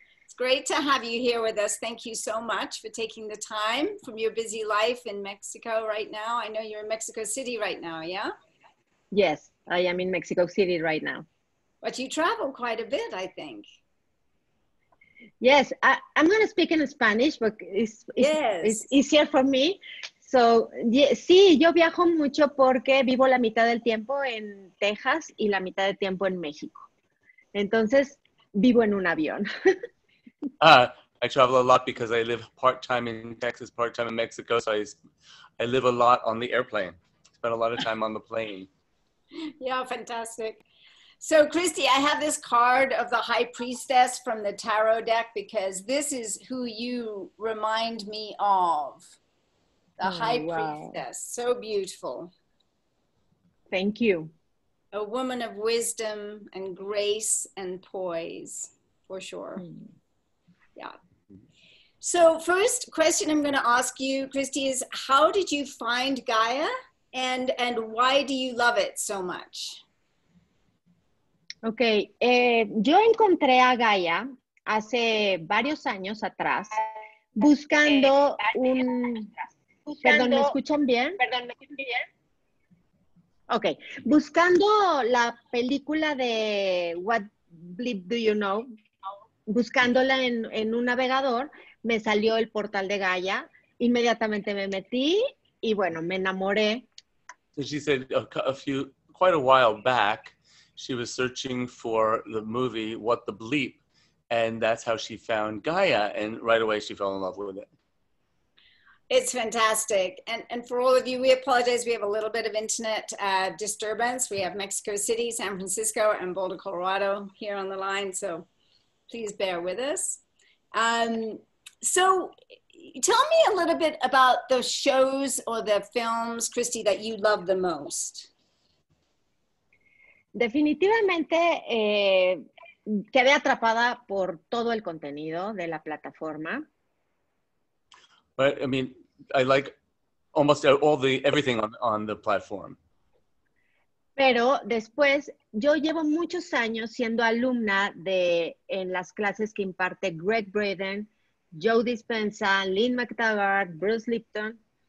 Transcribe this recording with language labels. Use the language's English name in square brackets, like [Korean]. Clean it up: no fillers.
[English] It's great to have you here with us. Thank you so much for taking the time from your busy life in Mexico right now. I know you're in Mexico City right now, yeah? Yes, I am in Mexico City right now. But you travel quite a bit, I think. Yes, I'm going to speak in Spanish, but it's easier for me. [Spanish] So, sí, yo viajo mucho porque vivo la mitad del tiempo en Texas y la mitad del tiempo en México. Entonces, vivo en un avión. [English] I travel a lot because I live part-time in Texas, part-time in Mexico. So, I live a lot on the airplane. Spend a lot of time on the plane. Yeah, fantastic. So, Christy, I have this card of the High Priestess from the tarot deck because this is who you remind me of. The High Priestess, so beautiful. Thank you. A woman of wisdom and grace and poise, for sure. Mm. Yeah. So first question I'm going to ask you, Christy, is how did you find Gaia and why do you love it so much? Okay. [Spanish] Yo encontré a Gaia hace varios años atrás buscando un... Perdón, ¿me escuchan bien? Ok. Buscando la película de What Bleep Do You Know, buscándola en un navegador, me salió el portal de Gaia. Inmediatamente me metí y bueno, me enamoré. [English] So she said quite a while back, she was searching for the movie What the Bleep, and that's how she found Gaia, and right away she fell in love with it. It's fantastic. And for all of you, we apologize. We have a little bit of internet disturbance. We have Mexico City, San Francisco, and Boulder, Colorado here on the line. So please bear with us. So tell me a little bit about the shows or the films, Christy, that you love the most. [Spanish] Definitivamente, quedé atrapada por todo el contenido de la plataforma. [English] But I mean, I like almost everything on the platform. [Spanish] Pero después, yo llevo muchos años siendo alumna en las clases que imparte Greg Braden, Joe Dispenza, Lynn McTaggart, Bruce Lipton.